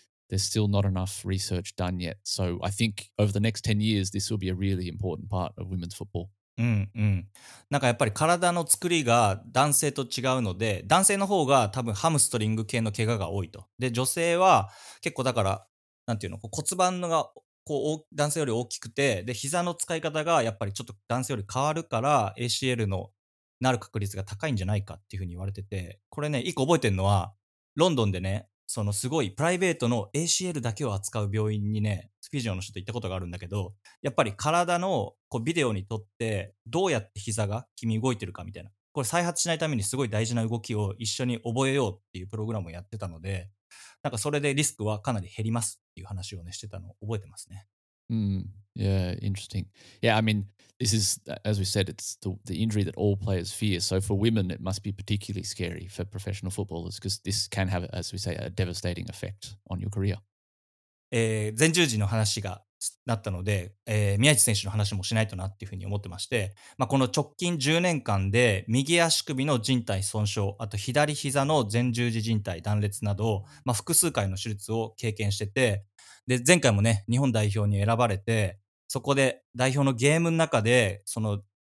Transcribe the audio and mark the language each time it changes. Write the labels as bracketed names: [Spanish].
[English] ButThere's still not enough research done yet. So I think over the next 10 years, this will be a really important part of women's football. [Japanese] なんかやっぱり体の作りが男性と違うので、男性の方が多分ハムストリング系の怪我が多いと。で、女性は結構だから、なんていうの、こう骨盤がこう男性より大きくて、で、膝の使い方がやっぱりちょっと男性より変わるから ACL のなる確率が高いんじゃないかっていうふうに言われてて、これね、一個覚えてるのは、ロンドンでね、そのすごいプライベートの ACL だけを扱う病院にね、フィジオの人と行ったことがあるんだけど、やっぱり体のこうビデオに撮って、どうやって膝が君動いてるかみたいな、これ再発しないためにすごい大事な動きを一緒に覚えようっていうプログラムをやってたので、なんかそれでリスクはかなり減りますっていう話をね、してたのを覚えてますね。 [English] Yeah, interesting. Yeah, I mean, this is, as we said, it's the injury that all players fear. So for women, it must be particularly scary for professional footballers because this can have, as we say, a devastating effect on your career. [Japanese] 前十字の話がなったので、宮市選手の話もしないとなっていうふうに思ってまして、まあ、この直近10年間で右足首の靭帯損傷、あと左膝の前十字靭帯断裂など、まあ、複数回の手術を経験してて、で前回もね日本代表に選ばれて、そこで代表のゲームの中でその